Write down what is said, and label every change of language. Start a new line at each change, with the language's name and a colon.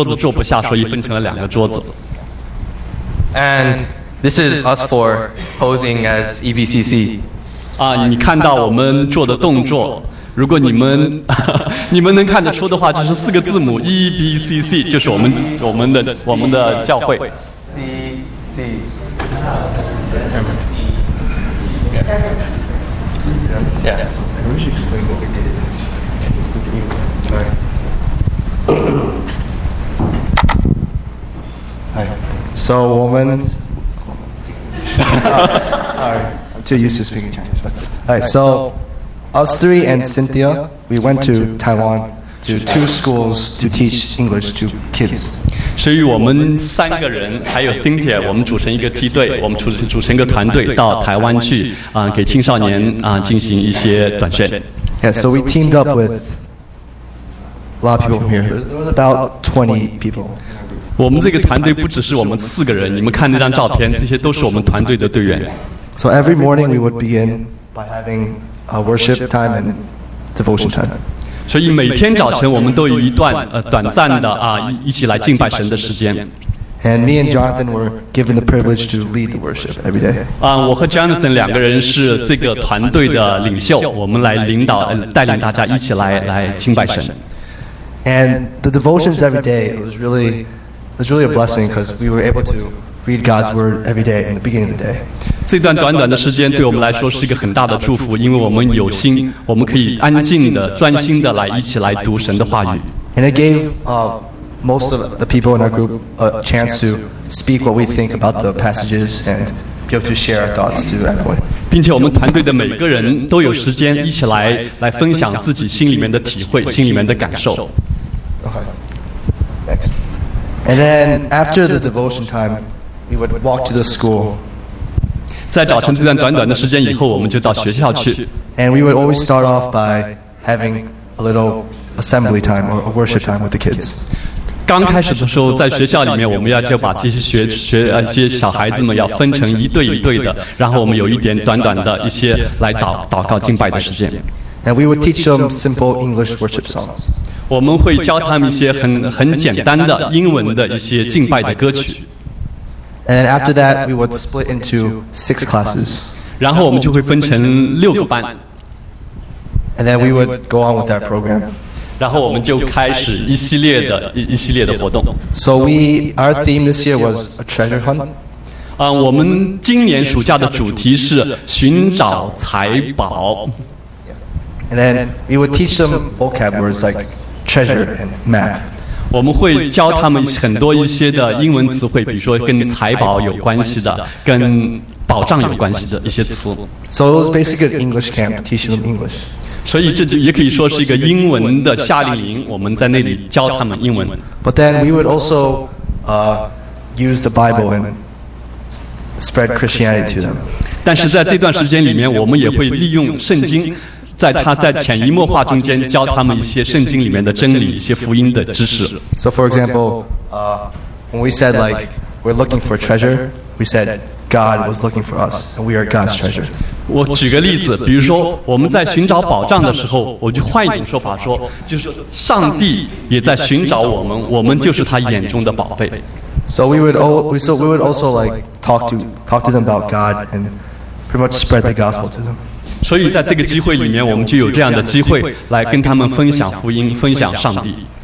Chinese: 其实我们这个队伍比这个要大很多，但是我们一个桌子坐不下，所以分成了两个桌子。
English: And this is us for posing as EBCC.
Chinese: 你看到我们做的动作，如果你们能看得出的话，就是四个字母 EBCC， 就是我们的教会。
English: C C Hi. So woman. sorry, I'm too used to speaking Chinese. But alright, so us three and Cynthia, we went to Taiwan to two schools to teach English to kids.
Chinese: 所以我们三个人还有丁铁，我们组成一个梯队，我们组成一个团队到台湾去给青少年进行一些短宣。
English: Yeah, so we teamed up with a lot of people from here. There was about 20 people.
Chinese: 我们这个团队不只是我们四个人，你们看那张照片，这些都是我们团队的队员。
English: So every morning we would begin by having a worship time and devotion time.
Chinese: 所以每天早晨我们都有一段短暂的一起来敬拜神的时间。
English: And me and Jonathan were given the privilege to lead the worship every day.
Chinese: 我和Jonathan两个人是这个团队的领袖，我们来领导带领大家一起来敬拜神。
English: And the devotions every day, it was really a blessing because we were able to read God's word every day in the beginning of the day.
Chinese: 这段短短的时间对我们来说是一个很大的祝福，因为我们有心，我们可以安静的、专心的来一起来读神的话语。
English: And it gave most of the people in our group a chance to speak what we think about the passages and be able to share our thoughts to everyone.
Chinese: 并且我们团队的每个人都有时间一起来分享自己心里面的体会、心里面的感受。
English: Okay. Next. And then after the devotion time, we would walk to the school.
Chinese: 在早晨这段短短的时间以后，我们就到学校去。
English: And we would always start off by having a little assembly time or a worship time with the kids.
Chinese: 刚开始的时候，在学校里面，我们要就把这些一些小孩子们要分成一对一对的，然后我们有一点短短的一些来祷告敬拜的时间。
English: And we would teach them simple English worship songs.
Chinese: 我们会教他们一些很简单的英文的一些敬拜的歌曲。
English: And after that, we would split into six classes.
Chinese: 然后我们就会分成六个班。
English: And then we would go on with that program.
Chinese: 然后我们就开始一系列的活动。
English: So our theme this year was a treasure hunt.
Chinese: 我们今年暑假的主题是寻找财宝。
English: And then we would teach them vocab words like treasure and map.
Chinese: 我们会教他们很多一些的英文词汇，比如说跟财宝有关系的、跟保障有关系的一些词。
English: So it was basically an English camp, teaching them English.
Chinese: 所以这也可以说是一个英文的夏令营，我们在那里教他们英文。
English: But then we would also use the Bible and spread Christianity to them.
Chinese: 但是在这段时间里面，我们也会利用圣经。在潜移默化中间教他们一些圣经里面的真理，一些福音的知识。
English: So for example, when we said like we're looking for treasure, we said God was looking for us, and we are God's treasure.
Chinese: 我举个例子，比如说我们在寻找宝藏的时候，我就换一种说法说，就是上帝也在寻找我们，我们就是他眼中的宝贝。
English: So we would also like talk to them about God and pretty much spread the gospel to them.
Chinese: 所以在这个机会里面，我们就有这样的机会来跟他们分享福音，分享上帝。